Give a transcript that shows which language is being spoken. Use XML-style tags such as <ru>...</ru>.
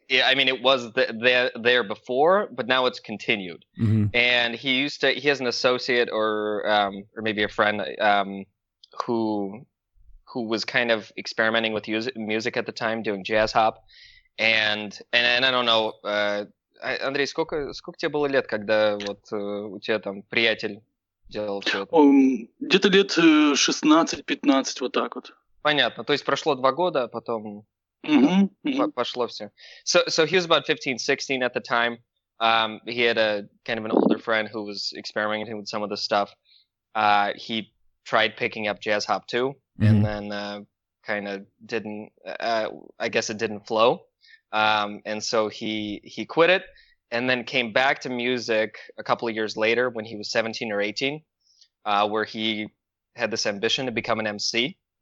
<en>I mean, it was there before, but now it's continued. Mm-hmm. And he has an associate or maybe a friend who was kind of experimenting with music at the time, doing jazz hop. And I don't know,</en> <ru>Андрей, сколько тебе было лет, когда вот у тебя там приятель делал что-то? Где-то лет 16-15, вот так вот. Понятно. То есть прошло 2 года, а потом...</ru> <en>So he was about 15-16 at the time. He had a kind of an older friend who was experimenting with some of the stuff. He tried picking up jazz hop too, and then kind of didn't I guess it didn't flow, and so he quit it and then came back to music a couple of years later when he was 17 or 18, where he had this ambition to become an MC.</en>